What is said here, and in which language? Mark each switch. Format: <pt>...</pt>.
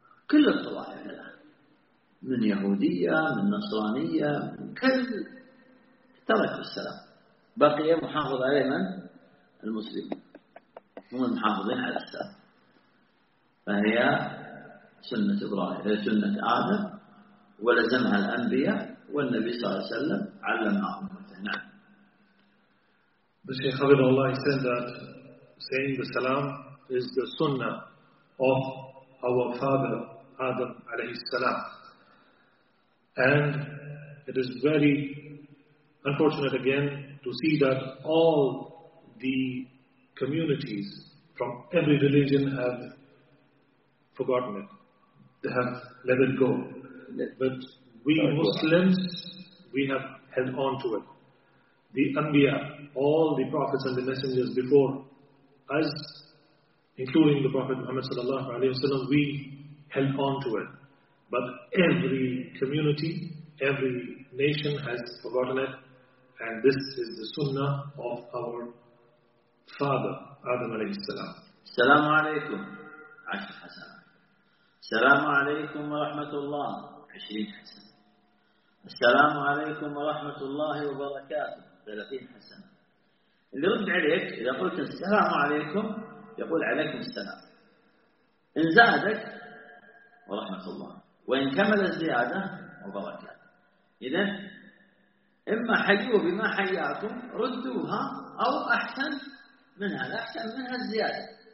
<ar>كل الطوائف الآن، من يهودية من نصرانية من كل، ترك السلام، بقي محافظ عليه من المسلمين، هم المحافظين على السلام. فهي سنة إبراهيم، هي سنة آدم، ولزمها الأنبياء والنبي صلى الله عليه وسلم علمها أمته. نعم.</ar> <en>The Shaykh Habibullah said that saying the salam is the sunnah of our father Adam alayhi salam. And it is very unfortunate again to see that all the communities from every religion have forgotten it. They have let it go. But we Muslims, we have held on to it. The Anbiya, all the prophets and the messengers before us, including the Prophet Muhammad sallallahu alaihi wasallam, we held on to it. But every community, every nation has forgotten it, and this is the sunnah of our father Adam alayhi salam.</en> <ar>Assalamu alaikum, عشر حسنات. Assalamu alaikum wa rahmatullah, 20 حسنات. Assalamu alaikum wa rahmatullahi wa barakatuh, 30 حسنة. اللي رد عليك إذا قلت السلام عليكم يقول عليكم السلام، إن زادك ورحمة الله، وإن كمل الزيادة وبركات. إذن إما حيوا بما حياكم ردوها أو أحسن منها، الأحسن منها الزيادة.</ar>